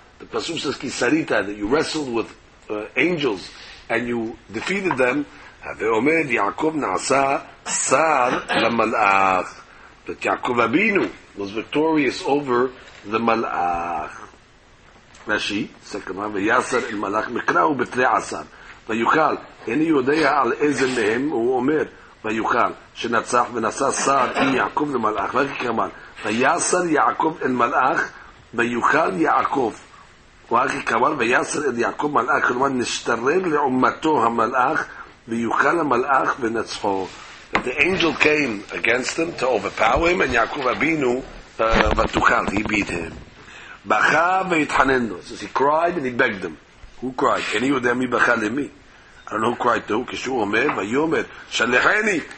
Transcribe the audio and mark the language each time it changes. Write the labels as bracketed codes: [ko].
[en] The pasuk says [he] ki sarita, [en] that you wrestled with angels and you defeated them. [he] Have omer Yaakov nasa sar la Malach. [en] That Yaakov Abinu was victorious over the Malach. Rashi, second one, [he] v'yasar el Malach mekrau betre asar. ויוכל, איני יודע על איזה מהם הוא אומר, ויוכל, שנצח ונשא שר עם יעקב למלאך, ואיך כמל, ויסר יעקב אל מלאך, ויוכל יעקב, ואיך כמל, ויסר אל יעקב מלאך, כלומר נשתרר לעומתו המלאך, ויוכל המלאך ונצחו. [en] But the angel came against him to overpower him, and יעקב אבינו, [he] ותוכל, [en] he beat him. [he] בכה והתחנן לו, [en] so he cried and he begged him. Who cried? Any of them? I don't know who cried to. [he] Kishu omer, vayomer, shalecheni.